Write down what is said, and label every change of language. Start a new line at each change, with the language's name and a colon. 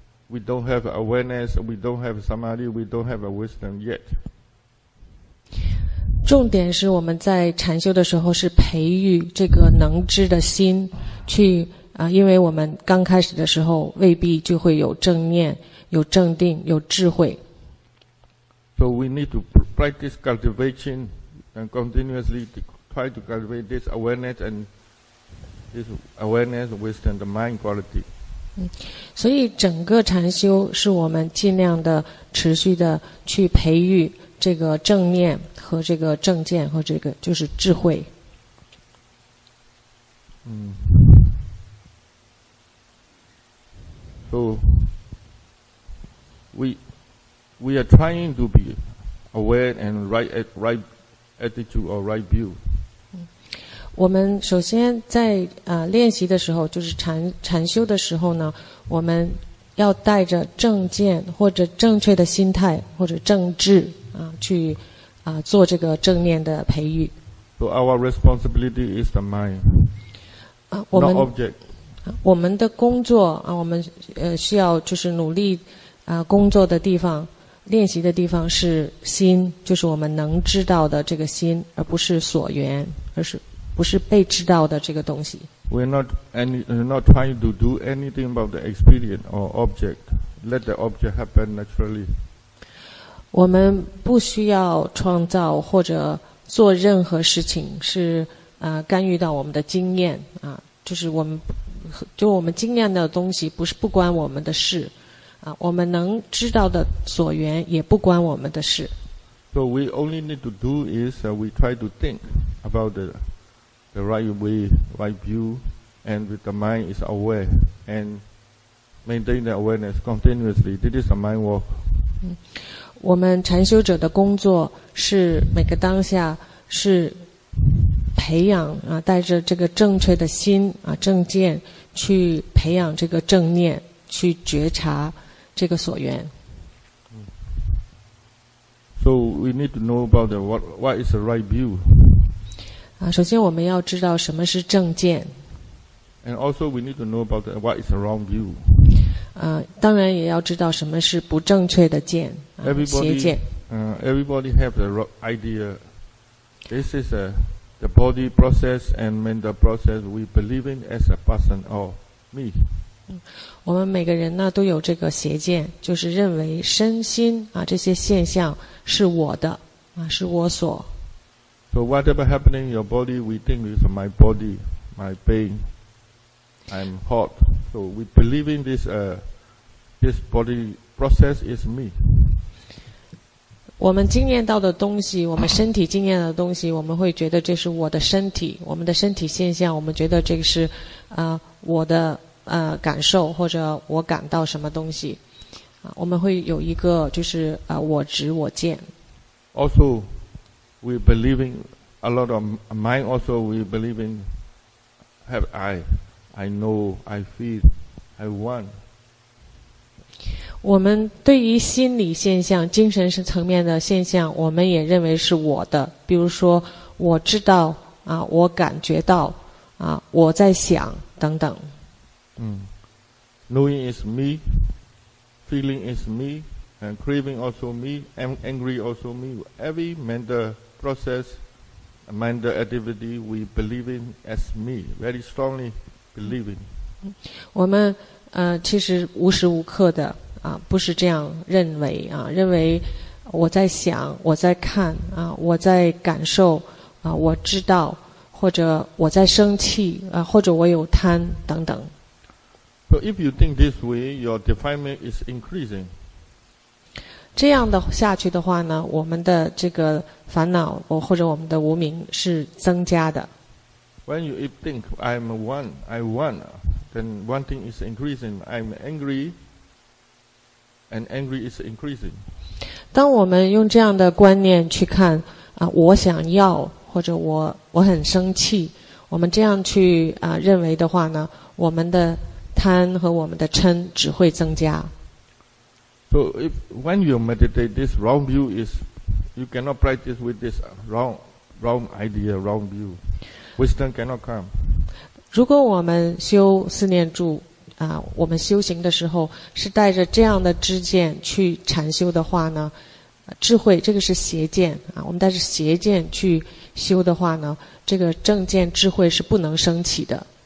English: We don't have awareness, we don't have samadhi, we don't have a wisdom yet.
Chinese: 重点是我们在禅修的时候是培育这个能知的心去因为我们刚开始的时候未必就会有正念有正定有智慧
English: So we need to practice cultivation and continuously try to cultivate this awareness and this awareness within the mind quality
Chinese: 所以整个禅修是我们尽量的持续的去培育这个正念和这个正见和这个就是智慧。
English: So we are trying to be aware and right attitude or right view.
Chinese: 我们首先在练习的时候，就是禅修的时候呢，我们要带着正见或者正确的心态或者正智。去做这个正念的培育。
English: So our responsibility is the mind, not object.
Chinese: 我们的工作我们需要就是努力工作的地方，练习的地方是心，就是我们能知道的这个心，而不是所缘，而是不是被知道的这个东西。
English: We're not trying to do anything about the experience or object. Let the object happen naturally.
Chinese: 我们不需要创造或者做任何事情是干预到我们的经验就是我们经验的东西不是不关我们的事我们能知道的所缘也不关我们的事。
English: So we only need to do is we try to think about the right way, right view, and with the mind is aware and maintain the awareness continuously. This is a mind work.
Chinese: 我们禅修者的工作是每个当下是培养啊，带着这个正确的心啊，正见去培养这个正念，去觉察这个所缘。
English: So we need to know about the what is the right view.
Chinese: 啊，首先我们要知道什么是正见。
English: And also we need to know about what is the wrong view.
Chinese: 啊，当然也要知道什么是不正确的见，啊，邪见。
English: Everybody have the idea. This is the body process and mental process we believe in as a person or me.
Chinese: 我们每个人呢都有这个邪见，就是认为身心啊这些现象是我的啊，是我所。
English: So whatever happening in your body, we think is my body, my pain. I'm hot. So we believe in this body process is me.
Chinese: 我们经验到的东西，我们身体经验的东西，我们会觉得这是我的身体，我们的身体现象，我们觉得这个是，我的感受或者我感到什么东西，啊，我们会有一个就是我执我见。
English: Also, we believe in a lot of mind. Also, we believe in have I know, I feel, I want.
Chinese: 我们对于心理现象、精神层面的现象，我们也认为是我的。比如说，我知道啊，我感觉到啊，我在想等等。
English: Knowing is me, feeling is me, and craving also me, and angry also me. Every mental process, mental activity, we believe in as me, very strongly believing.
Chinese: 我们其实无时无刻的。啊，不是这样认为啊，认为我在想，我在看啊，我在感受啊，我知道，或者我在生气啊，或者我有贪等等。
English: So if you think this way, your defilement is increasing.
Chinese: 这样的下去的话呢，我们的这个烦恼，或者我们的无明是增加的。
English: When you think I'm one, I want, then one thing is increasing. I'm angry. And angry is increasing.
Chinese: 当我们用这样的观念去看啊，我想要或者我很生气，我们这样去啊认为的话呢，我们的贪和我们的嗔只会增加。
English: So if when you meditate, this wrong view is you cannot practice with this wrong idea, wrong view. Wisdom cannot come.
Chinese: 如果我们修四念住。啊，我们修行的时候是带着这样的知见去禅修的话呢，智慧这个是邪见啊。我们带着邪见去修的话呢，这个正见智慧是不能升起的。